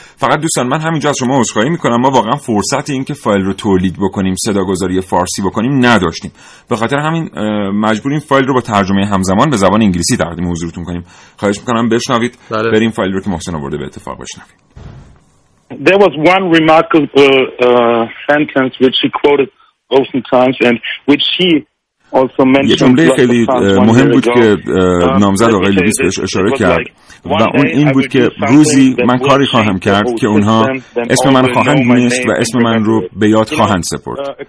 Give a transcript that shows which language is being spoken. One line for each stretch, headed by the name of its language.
Persian: فقط دوستان، من همینجا از شما عذرخواهی می‌کنم، ما واقعاً فرصت این که فایل رو تولید بکنیم، صداگذاری فارسی بکنیم نداشتیم. به خاطر همین مجبوریم فایل رو با ترجمه همزمان به زبان انگلیسی تقدیم حضورتون کنیم. خواهش می‌کنم بشنوید. بله. بریم فایل رو که محسن آورده به اتفاق بشنوید.
English: There was one remarkable sentence which he quoted often times and which he
Persian: یه جمله خیلی مهم بود که نامزد آقای لوبیتس بهش اشاره کرد و اون این بود که روزی من کاری خواهم کرد که اونها اسم من خواهند دونست و اسم من رو به یاد خواهند سپرد.